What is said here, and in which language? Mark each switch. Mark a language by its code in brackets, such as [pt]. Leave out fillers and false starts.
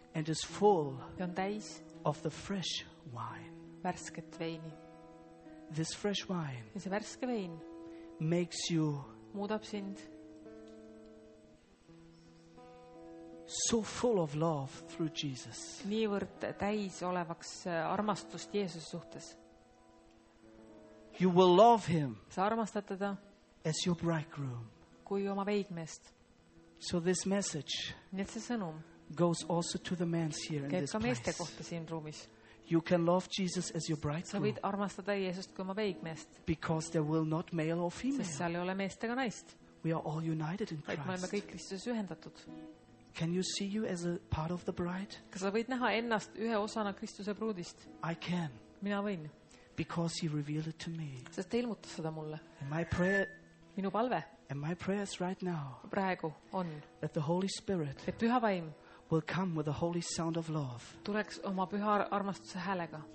[en] And is full. [et] Ja on täis. [en] Of the fresh wine. [et] Värsket veini. [en] This fresh wine. [et] Ja see värske vein. [en] Makes you [et] muudab sind [en] so full of love through Jesus. [et] Niivõrd täis olevaks armastust Jeesus suhtes. [en] You will love him. [et] Sa armastad teda. [en] As your bridegroom. [et] Kui oma veidmeest. [en] So this message. [et] Nii see sõnum. [en] Goes also to the men here in this place. [et] Ka meeste kohta siin ruumis. [en] You can love Jesus as your bridegroom. [et] Sa võid armastada Jeesust kui oma veidmeest. [en] Because there will not male or female. [et] Sest seal ei ole meest ega naist. [en] We are all united in Christ. [et] Me oleme kõik Kristuses ühendatud. [en] Can you see you as a part of the bride? [et] Kas sa võid näha ennast ühe osana Kristuse pruudist? [en] I can. [et] Mina võin. [en] Because he revealed it to me. [et] Sest ta ilmutas seda mulle. [en] My prayer. [et] Minu palve. [en] And my prayers right now. [et] Praegu on. [en] That the Holy Spirit. [et] Et püha vaim. [en] Will come with the holy sound of love. [et] Tuleks oma püha armastuse häälega.